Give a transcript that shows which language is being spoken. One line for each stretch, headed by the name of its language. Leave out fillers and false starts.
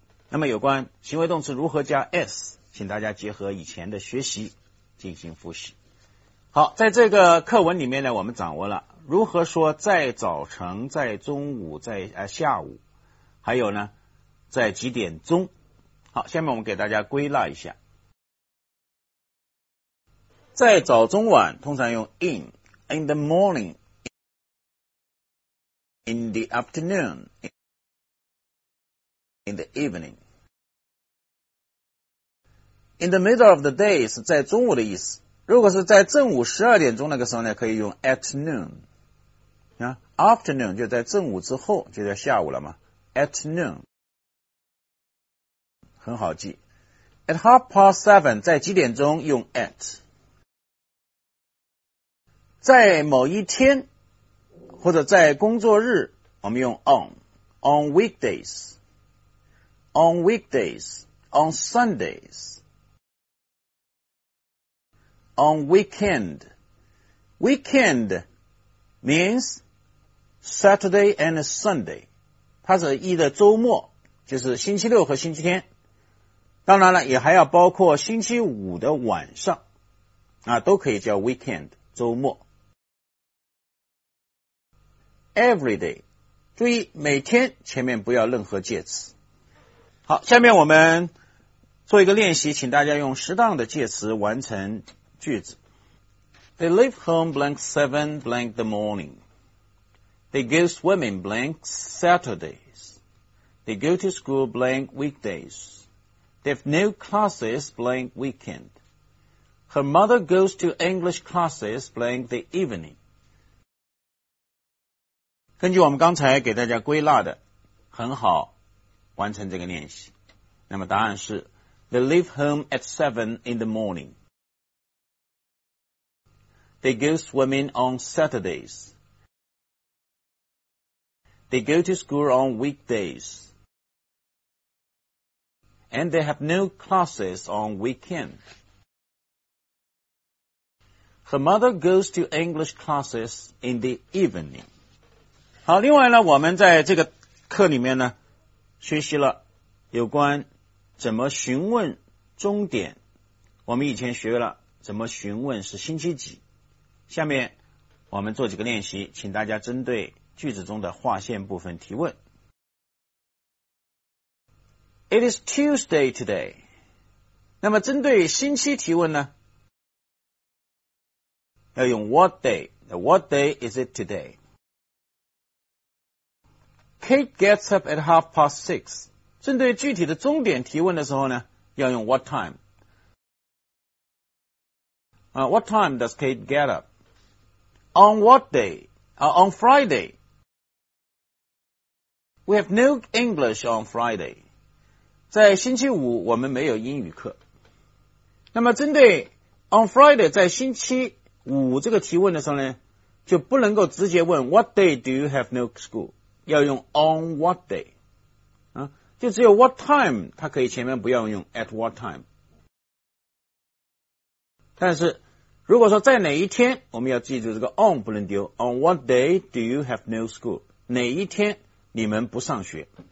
Chinese: 那么有关行为动词如何加 S， 请大家结合以前的学习。进行复习。好，在这个课文里面呢，我们掌握了如何说在早晨、在中午、在下午，还有呢在几点钟。好，下面我们给大家归纳一下。在早中晚通常用
English: in the morning, in the afternoon, in the evening. In the middle of the day
Chinese: 是在中午的意思，如果是在正午十二点钟那个时候呢，可以用 at noon、afternoon 就在正午之后，就在下午了嘛， at noon 很好记。
English: at half past seven
Chinese: 在几点钟用
English: at。
Chinese: 在某一天或者在工作日我们用
English: on weekdays, on Sundays, on weekend means Saturday and Sunday,
Chinese: 它是意的周末，就是星期六和星期天，当然了也还要包括星期五的晚上啊，都可以叫 weekend, 周末。 Every day, 注意每天前面不要任何介词。好，下面我们做一个练习，请大家用适当的介词完成句子。
English: They leave home blank seven blank the morning. They go swimming blank Saturdays. They go to school blank weekdays. They have no classes blank weekend. Her mother goes to English classes blank the evening.
Chinese: 根据我们刚才给大家归纳的，很好完成这个练习。那么答案是
English: They leave home at 7 in the morning. They go swimming on Saturdays. They go to school on weekdays. And they have no classes on weekend. Her mother goes to English classes in the evening.
Chinese: 好，另外呢，我们在这个课里面呢，学习了有关怎么询问终点。我们以前学了怎么询问是星期几。下面我们做几个练习，请大家针对句子中的划线部分提问。
English: It is Tuesday today.
Chinese: 那么针对星期提问呢，要用
English: What day? What day is it today? Kate gets up at half past six.
Chinese: 针对具体的终点提问的时候呢，要用
English: what time? What time does Kate get up? On what day? On Friday. We have no English on Friday.
Chinese: 在星期五我们没有英语课。那么针对 on Friday 在星期五这个提问的时候呢，就不能够直接问
English: what day do you have no school?
Chinese: 要用
English: on what day、
Chinese: 就只有 what time 它可以前面不要用
English: at what time,
Chinese: 但是如果说在哪一天，我们要记住这个 on 不能丢，
English: on what day do you have no school,
Chinese: 哪一天你们不上学。